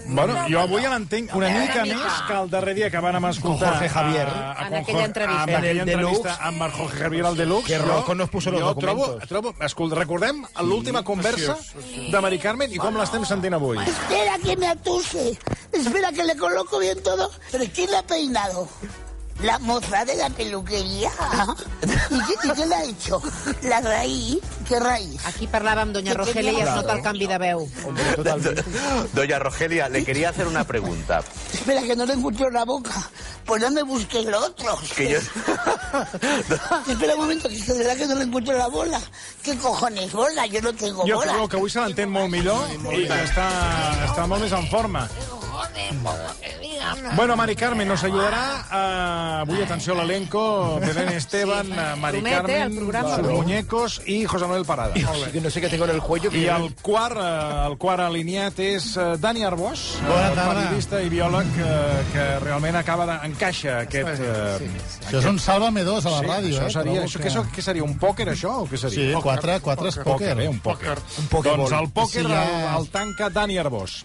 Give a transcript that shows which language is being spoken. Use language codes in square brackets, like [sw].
[ca] Bueno, jo avui l'entenc una mica més que el darrer dia que vàrem escoltar Jorge Javier en aquella entrevista. En aquella entrevista amb Jorge Javier al Deluxe. [es] Que Rocco nos puso los documentos. [ca] Recordem l'última conversa de Mari Carmen i com l'estem sentint avui. [es] Espera que me atuse. Espera que le coloco bien todo. ¿Pero quién la ha peinado? La moza de la peluquería. ¿Y qué le ha hecho? La raíz. ¿Qué raíz? [ca] Aquí parlava amb doña Rogelia i es nota el canvi de veu. [es] Doña Rogelia, le quería hacer una pregunta. Espera, que no le encuentro la boca. Pues no me busque el otro. Que yo... Espera un momento, que será que no le encuentro la bola. ¿Qué cojones, bola? Yo no tengo bola. Yo creo que [ca] avui se l'entén molt millor i està molt més en forma. [es] tiempo, dígame. Bueno, Mari Carmen nos ayudará. Muy atención al elenco. Belén Esteban, sí, Mari Carmen, promete, programa, sus muñecos y José Manuel Parada. Sí, no sé qué tengo en el cuello. [ca] I el quart alineat és Dani Arbós, periodista i biòleg, que realment acaba d'encaixar aquest... Això és un Sálvame 2 a la ràdio. Això seria, què seria, un pòquer, això? O què seria? Sí, quatre és pòquer. Doncs el pòquer el tanca Dani Arbós.